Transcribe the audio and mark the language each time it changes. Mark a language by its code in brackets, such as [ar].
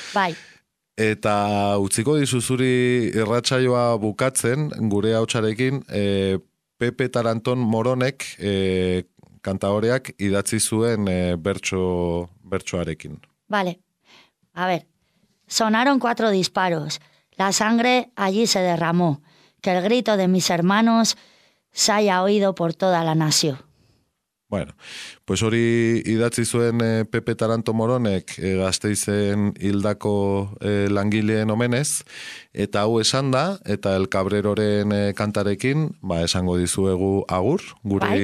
[eu] Bai. Eta utziko dizu zuri irratsaioa bukatzen gure ahotsarekin, Pepe Taranton Moronek kantaoreak idatzi zuen bertsoarekin. [es] Vale. A ver. Sonaron 4 disparos. La sangre allí se derramó. Que el grito de mis hermanos se haya oído por toda la nación. [eu] Bueno, pues hori idatzi zuen Pepe Taranto Moronek Gasteizen hildako langileen omenez, eta hau esan da, eta El Cabreroren kantarekin, esango dizuegu agur, gure bai.